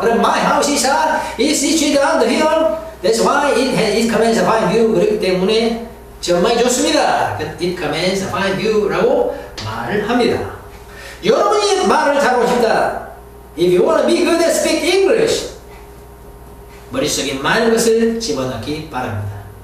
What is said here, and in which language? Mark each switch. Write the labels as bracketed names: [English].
[Korean] 그럼 [English] my house is situated on the hill. That's why it commands a fine view. [Korean] 그렇기 때문에 정말 좋습니다. [English] It commands a fine view [Korean] 라고 말을 합니다. 여러분이 말을 잘하고 싶다. [English] If you want to be good at speak English, [Korean] 머릿속에 많은 것을 집어넣기 바랍니다.